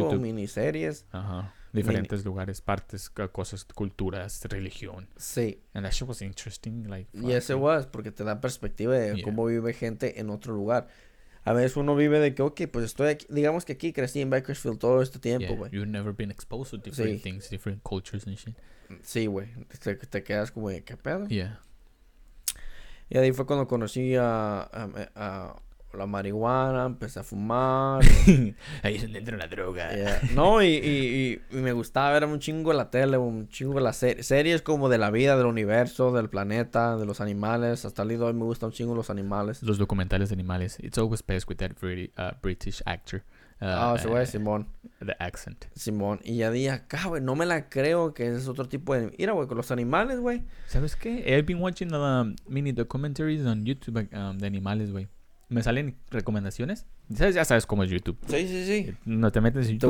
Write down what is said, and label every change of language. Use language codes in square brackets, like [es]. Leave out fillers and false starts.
[es] Sí, como miniseries. Ajá. Diferentes lugares, partes, cosas, culturas, religión. Sí. [en] And that shit was interesting, like... Yes, it was, [es] porque te da perspectiva de cómo vive gente en otro lugar. A veces uno vive de que, okay, pues estoy aquí, digamos que aquí crecí en Bakersfield todo este tiempo, güey. [en] You've never been exposed to different things, different cultures and shit. [es] Sí, güey. Te quedas como, ¿qué pedo? [en] Yeah. [es] Y ahí fue cuando conocí a la marihuana, empecé a fumar. Ahí es donde entra la droga. [en] Yeah. [es] No, y me gustaba ver un chingo la tele, un chingo las series como de la vida, del universo, del planeta, de los animales. Hasta el día de hoy me gustan un chingo los animales. Los documentales de animales. [en] It's always best with that really, British actor. [es] Simón. [en] The accent. [es] Simón. Y ya dije, acá, güey, no me la creo que es otro tipo de... Mira, güey, con los animales, güey. ¿Sabes qué? [en] I've been watching the mini documentaries on YouTube [es] de animales, güey. ¿Me salen recomendaciones? ¿Sabes? Ya sabes cómo es YouTube. Sí, sí, sí. No te metes en YouTube.